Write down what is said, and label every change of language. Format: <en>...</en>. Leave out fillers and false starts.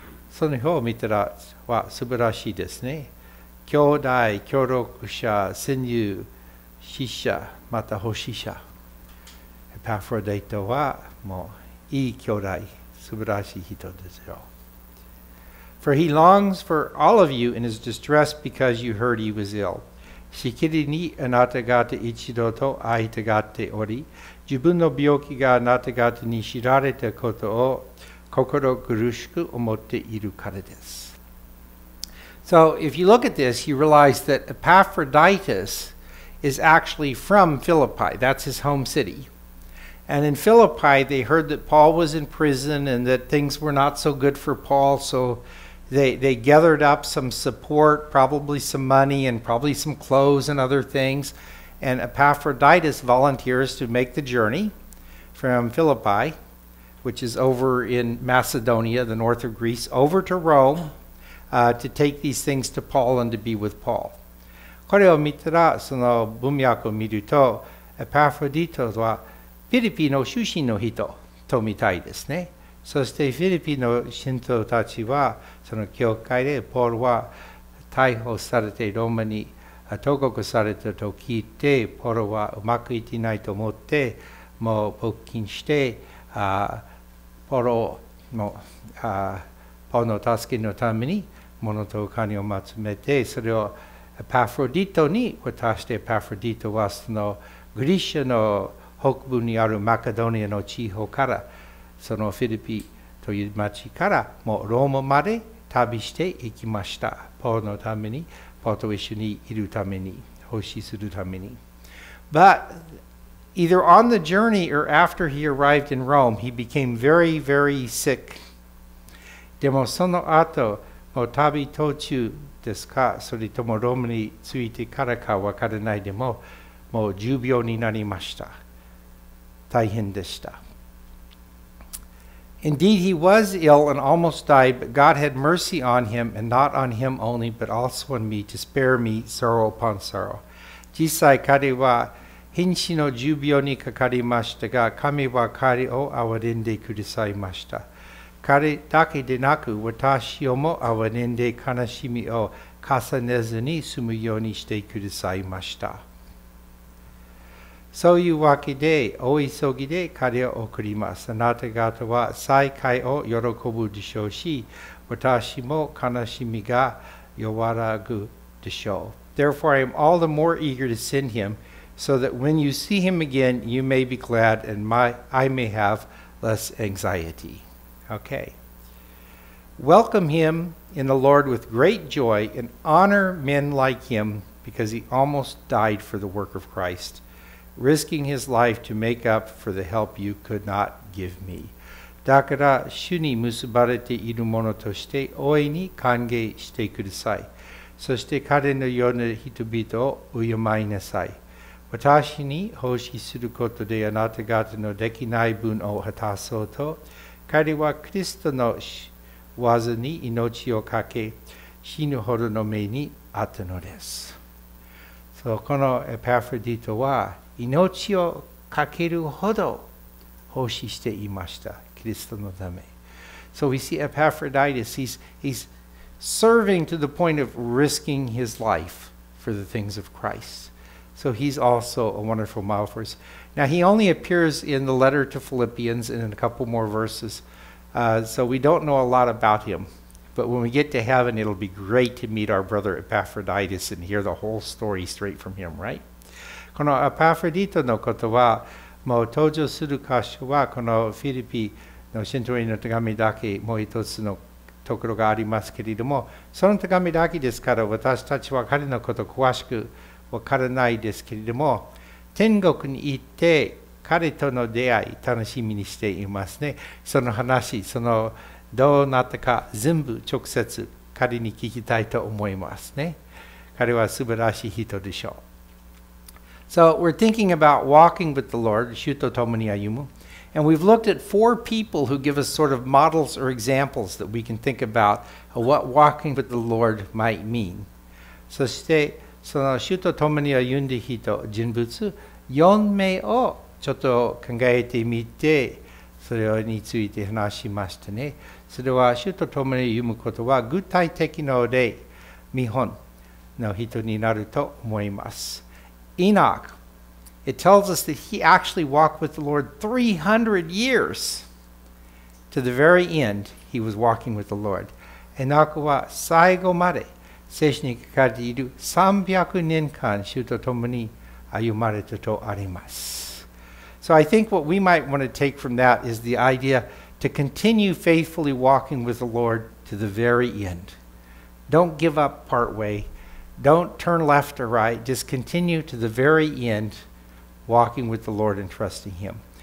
<ja>その表を見たらは素晴らしいですね。兄弟、協力者、親友、使者、また奉仕者。エパフロディトはもういい兄弟、素晴らしい人ですよ。</ja> <en>For he longs for all of you in his distress because you heard he was ill.</en> <ja>しきりにあなた方一度と会いたがっており、自分の病気があなた方に知られたことを心苦しく思っているからです。</ja> <en>So if you look at this, you realize that Epaphroditus is actually from Philippi. That's his home city. And in Philippi, they heard that Paul was in prison and that things were not so good for Paul. So they gathered up some support, probably some money and probably some clothes and other things. And Epaphroditus volunteers to make the journey from Philippi, which is over in Macedonia, the north of Greece, over to Rome to take these things to Paul and to be with Paul.</en> <ja>これを見たら、その文脈を見ると、エパフロディトはフィリピの出身の人と見たいですね。そしてフィリピの信徒たちは、その教会でポールは逮捕されてローマに投獄されたと聞いて、ポールはうまくいっていないと思って、もう募金して、ポールの助けのために物とお金を集めて、それをエパフロディトに渡して、エパフロディトはそのグリシャの北部にあるマカドニアの地方から、そのフィリピという町からもうローマまで旅していきました。ポールのために、ポールと一緒にいるために、奉仕するために。</ja> <en>But either on the journey or after he arrived in Rome, he became very, very sick.</en> <ja>でもその後もう旅途中ですか、それともローマに着いてからかわからないでも、もう重病になりました。大変でした。</ja> <en>Indeed, he was ill and almost died, but God had mercy on him, and not on him only, but also on me, to spare me sorrow upon sorrow.</en> <ja>実際彼は瀕死の重病にかかりましたが、神は彼を憐れんでくださいました。彼だけでなく、私をも憐れんで悲しみを重ねずに済むようにしてくださいました。そういうわけで、お急ぎで彼を送ります。あなた方は再会を喜ぶでしょうし、私も悲しみが和らぐでしょう。</ja> <en>Therefore, I am all the more eager to send him, so that when you see him again, you may be glad and I may have less anxiety. Okay. Welcome him in the Lord with great joy and honor men like him because he almost died for the work of Christ, risking his life to make up for the help you could not give me.</en> <ja>だから主に結ばれている者として大いに歓迎してください。そして彼のような人々を敬いなさい。私に奉仕することであなた方のできない分を果たそうと、彼はキリストの技に命を懸け、死ぬほどの目にあったのです。 So, このエパフロディトは命を懸けるほど奉仕していました。キリストのため。</ja> <en>So we see Epaphroditus, he's serving to the point of risking his life for the things of Christ. So he's also a wonderful model for us. Now he only appears in the letter to Philippians and in a couple more verses. So we don't know a lot about him. But when we get to heaven, it'll be great to meet our brother Epaphroditus and hear the whole story straight from him, right?</en> <ja>このエパフロディトのことはもう登場する箇所はこのフィリピの信徒への手紙だけもう一つのところがありますけれども、その手紙だけですから私たちは彼のことを詳しく分からないですけれども、天国に行って彼との出会い楽しみにしていますね。その話、そのどうなったか全部直接彼に聞きたいと思いますね。彼は素晴らしい人でしょう。</ja> <en>So we're thinking about walking with the Lord,</en> <ja>主と共に歩む.</ja> <en>And we've looked at four people who give us sort of models or examples that we can think about of what walking with the Lord might mean.</en> <ja>そしてその主と共に歩んだ人人物4名をちょっと考えてみて、それについて話しましたね。それは主と共に歩むことは具体的な例、見本の人になると思います。</ja> <en>Enoch, it tells us that he actually walked with the Lord 300 years. To the very end, he was walking with the Lord.</en> <ja>Enoch は最後まで聖書に書かれている300年間主と共に歩まれたとあります。</ja> <en>So I think what we might want to take from that is the idea to continue faithfully walking with the Lord to the very end. Don't give up partway. Don't turn left or right. Just continue to the very end, walking with the Lord and trusting Him.</en>